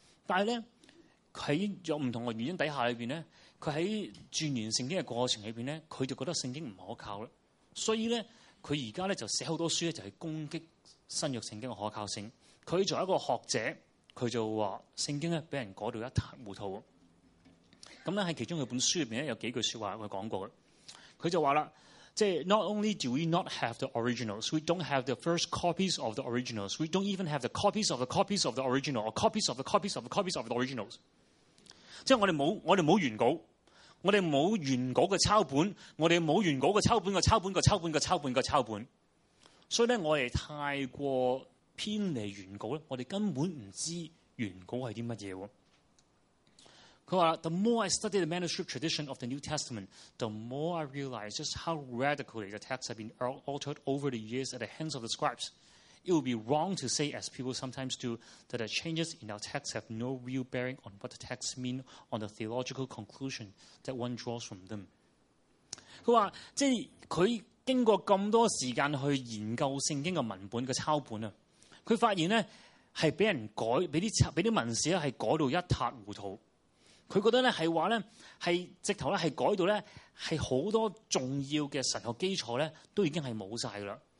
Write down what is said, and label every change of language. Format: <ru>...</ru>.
<zh>但是他在不同的原因底下里面，他在钻研圣经的过程里面，他就觉得圣经不可靠了，所以他现在就写很多书就是攻击新约圣经的可靠性。他作为一个学者，他就说圣经被人改到一塌糊涂。在其中一本书里面有几句说话他讲过，他就说了，即</zh> <en>not only do we not have the originals, we don't have the first copies of the originals, we don't even have the copies of the copies of the original, or copies of the copies of the copies of the originals.</en> <zh>即是我们没有原稿，我们没有原稿的抄本，我们没有原稿的抄本的抄本的抄本的抄本的抄本。所以我们太过偏离原稿，我们根本不知道原稿是什么东西。</zh> <en>The more I study the manuscript tradition of the New Testament, the more I realize just how radically the texts have been altered over the years at the hands of the scribes. It would be wrong to say, as people sometimes do, that the changes in our texts have no real bearing on what the texts mean on the theological conclusion that one draws from them.</en> <zh>他说，即是他经过这么多时间去研究圣经的文本的抄本，他发现呢，是被人改，被文士是改到一塌糊涂。他觉得是说是直头是改到是很多重要的神学基础都已经是没有了。</zh>